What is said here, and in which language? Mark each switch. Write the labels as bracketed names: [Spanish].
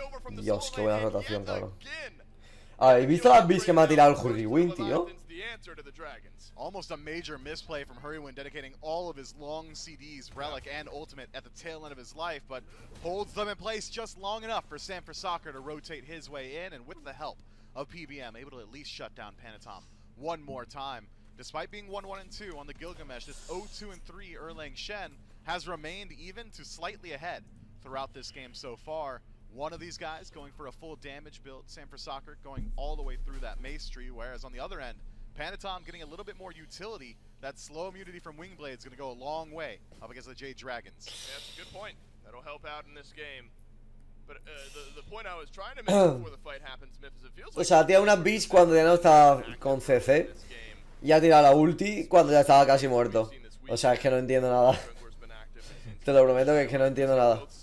[Spanish] Dios, qué buena rotación, cabrón. ¿Habéis visto la Beast que me ha tirado el Hurrywind, tío? [English] Almost a major misplay from Hurrywind, dedicating all of his long CDs, Relic and Ultimate, at the tail end of his life, but holds them in place just long enough for Sanford Soccer to rotate his way in, and with the help of PBM, able to at least shut down Panatom one more time. Despite being 1-1-2 on the Gilgamesh, this 0-2-3 Erlang Shen has remained even to slightly ahead throughout this game so far. One of these guys going for a full damage build, Sanford Soccer going all the way through that Mace tree, whereas on the other end, Panatom getting a little bit more utility. That slow immunity from Wingblade is going to go a long way up against the Jade Dragons. Yeah, that's a good point. That'll help out in this game. But the point I was trying to make before the fight happens, Miff, is it feels like... [Spanish] O sea, tira una Beast cuando ya no estaba con CC. Y ha tirado la ulti cuando ya estaba casi muerto. O sea, es que no entiendo nada. Te lo prometo que es que no entiendo nada.